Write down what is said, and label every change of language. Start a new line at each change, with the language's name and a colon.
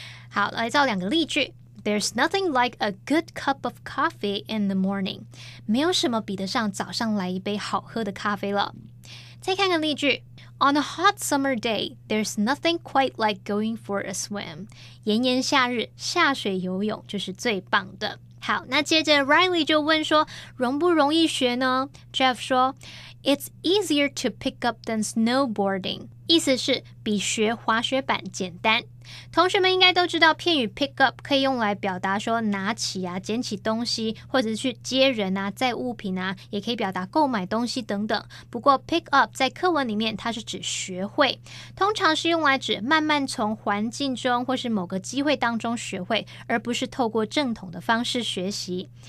Chinese: 好，来造两个例句。
English: There's nothing like a good cup of coffee in the morning.
Chinese: 没有什么比得上早上来一杯好喝的咖啡了。再看个例句。
English: On a hot summer day, there's nothing quite like going for a swim.
Chinese: 炎炎夏日，下水游泳就是最棒的。好，那接着 Riley 就问说，容不容易学呢？
English: Jeff
Chinese: 说，
English: It's easier to pick up than snowboarding.
Chinese: 意思是比学滑雪板简单。同学们应该都知道片语 pick up 可以用来表达说拿起啊、捡起东西，或者是去接人啊、载物品啊，也可以表达购买东西等等。不过 pick up 在课文里面它是指学会，通常是用来指慢慢从环境中或是某个机会当中学会，而不是透过正统的方式学习。